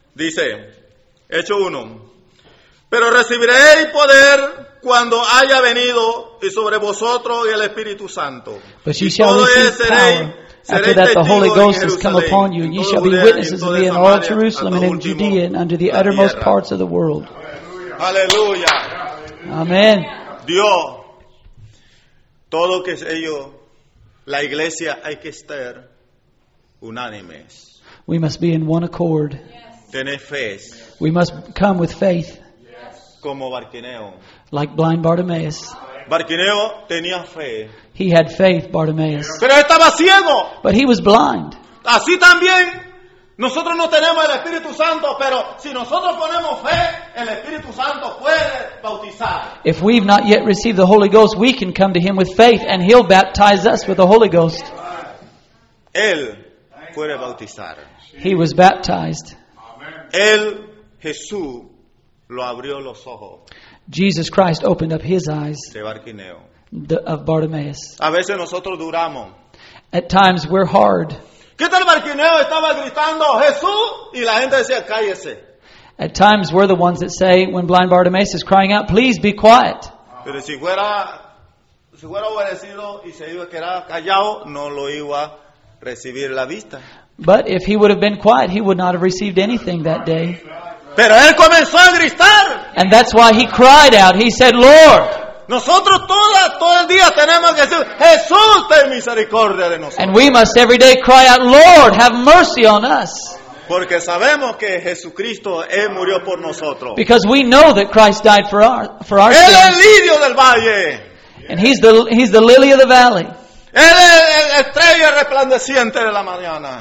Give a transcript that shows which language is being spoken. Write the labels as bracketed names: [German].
[Spanish] Dice Hechos 1, pero recibiréis poder cuando haya venido y sobre vosotros y el Espíritu Santo. [English] But you shall receive power after that the Holy Ghost has come upon you, and ye shall be witnesses of me in all Jerusalem and in Judea and unto the uttermost parts of the world. [Spanish] Aleluya. [English] Amen. [Spanish] Dios, todo que es ello, la iglesia hay que estar unánimes. [English] We must be in one accord. [Spanish] Tener fe. [English] We must come with faith. [Spanish] Como Bartimeo. [English] Like blind Bartimaeus. [Spanish] Bartimeo tenía fe. [English] He had faith, Bartimaeus. [Spanish] Pero estaba ciego. [English] But he was blind. [Spanish] Así también Nosotros no tenemos el Espíritu Santo, pero si nosotros ponemos fe, el Espíritu Santo puede bautizar. [English] If we've not yet received the Holy Ghost, we can come to Him with faith and He'll baptize us with the Holy Ghost. [Spanish] Él puede bautizar. [English] He was baptized. [Spanish] Él, Jesús, lo abrió los ojos. [English] Jesus Christ opened up His eyes. [Spanish] De Bartimeo. [English] Of Bartimaeus. [Spanish] A veces nosotros duramos. [English] At times we're hard. [Spanish] ¿Qué tal Bartimeo estaba gritando Jesús? Y la gente decía, cállese. [English] At times we're the ones that say, when blind Bartimaeus is crying out, please be quiet. [Spanish] Pero si fuera obedecido y se iba a quedar callado, no lo iba a recibir la vista. [English] But if he would have been quiet, he would not have received anything that day. [Spanish] Pero él comenzó a gritar. [English] And that's why he cried out. He said, Lord. [Spanish] Nosotros todo el día tenemos que decir, Jesús, ten misericordia de nosotros. [English] And we must every day cry out, Lord, have mercy on us. [Spanish] Porque sabemos que Jesucristo él murió por nosotros. [English] Because we know that Christ died for our sins. [Spanish] Él es el lirio del valle. [English] And he's the lily of the valley. [Spanish] Él es la estrella resplandeciente de la mañana.